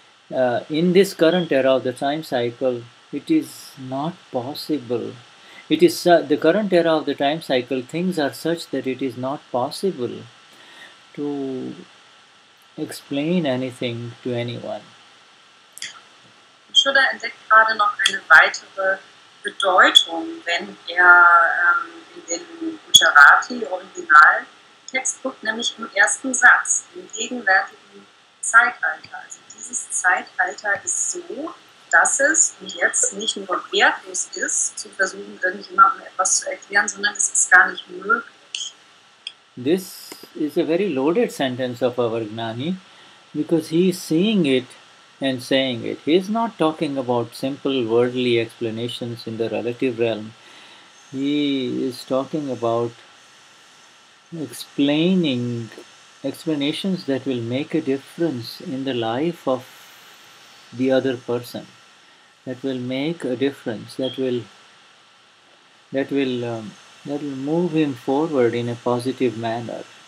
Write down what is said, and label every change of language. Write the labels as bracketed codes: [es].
[en] In this current era of the time cycle, it is not possible. It is the current era of the time cycle, things are such that it is not possible to explain anything to anyone. [de] Shuddha entdeckt gerade noch eine weitere Bedeutung, wenn in den Gujarati Original Textbook, nämlich im ersten Satz, im gegenwärtigen Zeitalter. Dieses Zeitalter ist so, dass es jetzt nicht nur wertlos ist, zu versuchen, irgendjemandem etwas zu erklären, sondern es ist gar nicht möglich. [en] This is a very loaded sentence of our Gnani, because he is seeing it and saying it. He is not talking about simple worldly explanations in the relative realm. He is talking about explanations that will make a difference in the life of the other person, that will move him forward in a positive manner.